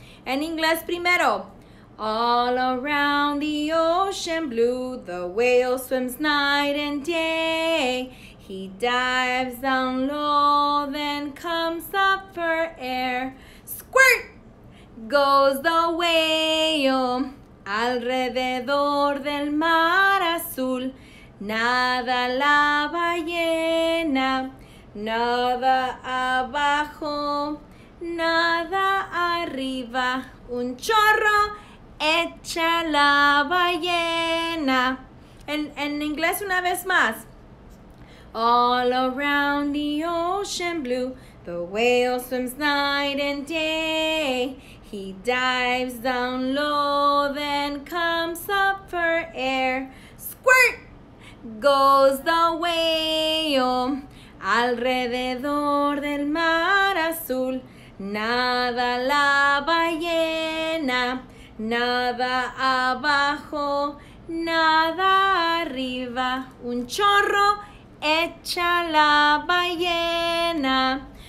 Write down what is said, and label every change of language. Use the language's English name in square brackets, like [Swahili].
[Spanish] En inglés primero. [English] All around the ocean blue, the whale swims night and day. He dives down low, then comes up for air. Squirt! Goes the whale. [Spanish] Alrededor del mar azul, nada la ballena, nada abajo, nada arriba. Un chorro echa la ballena. En inglés una vez más. [English] All around the ocean blue, the whale swims night and day. He dives down low, then comes up for air. Squirt! Goes the whale. [Spanish] Alrededor del mar azul, nada la ballena, nada abajo, nada arriba. Un chorro echa la ballena.